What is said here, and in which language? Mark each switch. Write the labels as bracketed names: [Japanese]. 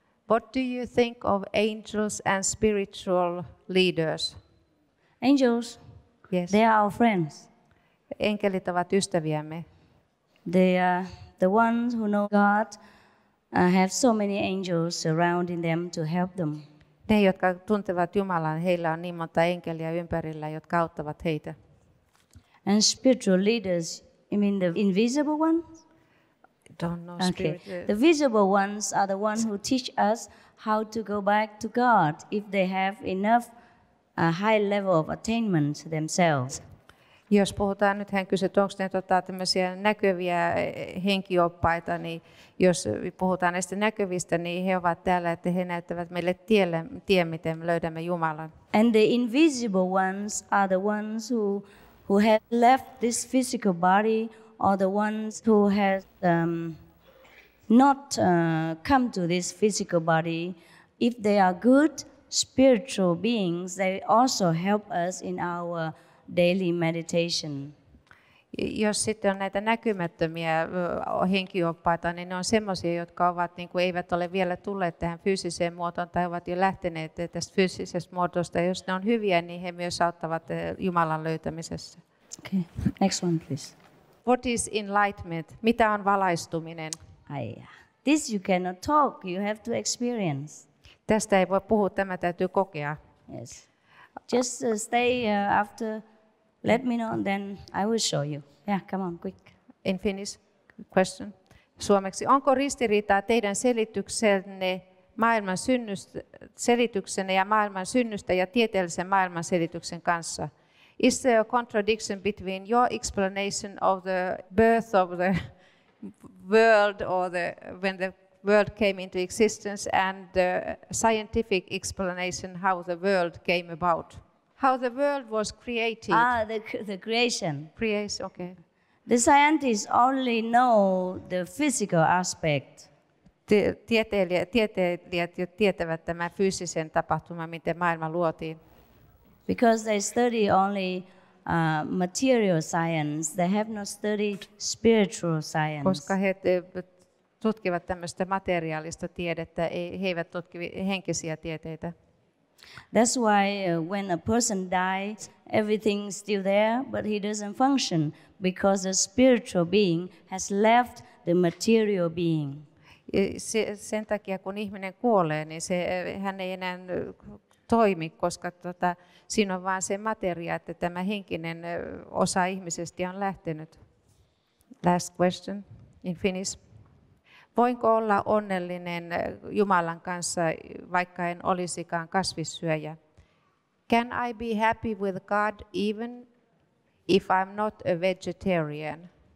[English] What do you think of angels and spiritual leaders? Angels, yes. They are our friends. [Finnish] Enkelit ovat ystäviämme. [English] They are the ones who know God have so many angels surrounding them to help them. [Finnish] Ne, jotka tuntevat Jumalan, heillä on niin monta enkeliä ympärillä, jotka auttavat heitä. [English] And spiritual leaders, you mean the invisible ones? Don't know. Okay. The visible ones are the ones who teach us how to go back to God if they have enough a high level of attainment themselves. [Finnish] Jos puhutaan, nythän kysyt, onko ne tämmöisiä näkyviä henkioppaita, niin jos puhutaan näistä näkyvistä, niin he ovat täällä, että he näyttävät meille tien, miten me löydämme Jumalan. [English] And the invisible ones are the ones who who have left this physical body are the ones who have not come to this physical body. If they are good spiritual beings, they also help us in our daily meditation. [Finnish] Jos sitten on näitä näkymättömiä henkioppaita, niin ne on semmoisia, jotka ovat, niin kuin eivät ole vielä tulleet tähän fyysiseen muotoon tai ovat jo lähteneet tästä fyysisestä muodosta. Jos ne on hyviä, niin he myös auttavat Jumalan löytämisessä. [English] Okay, next one please. What is enlightenment? [Finnish] Mitä on valaistuminen? [English] This you cannot talk, you have to experience. [Finnish] Tästä ei voi puhua, tämä täytyy kokea. [English] Yes. Just stay after, let me know, then I will show you. Yeah, come on, quick. In Finnish, question. [Finnish] Suomeksi. Onko ristiriitaa teidän selityksenne maailman synnystä, selityksenne ja maailman synnystä ja tieteellisen maailman selityksen kanssa? [English] Is there a contradiction between your explanation of the birth of the world or the when the world came into existence and the scientific explanation how the world came about? How the world was created? The creation. Creation, okay. The scientists only know the physical aspect. [Finnish] Tieteilijät jo tietävät tämän fyysisen tapahtuman, miten maailma luotiin. [English] Because they study only material science, they have not studied spiritual science. [Finnish] Koska he tutkivat tämmöistä materiaalista tiedettä, he eivät tutki henkisiä tieteitä. [English] That's why when a person dies, everything's still there, but he doesn't function because the spiritual being has left the material being. [Finnish] Sen takia kun ihminen kuolee, niin se hän ei enää toimi, koska siinä on vaan se materia, että tämä henkinen osa ihmisestä on lähtenyt. [English] Last question in Finnish. [Finnish] Voinko olla onnellinen Jumalan kanssa, vaikka en olisikaan kasvissyöjä? [English] Can I be happy with God even if I'm not a vegetarian?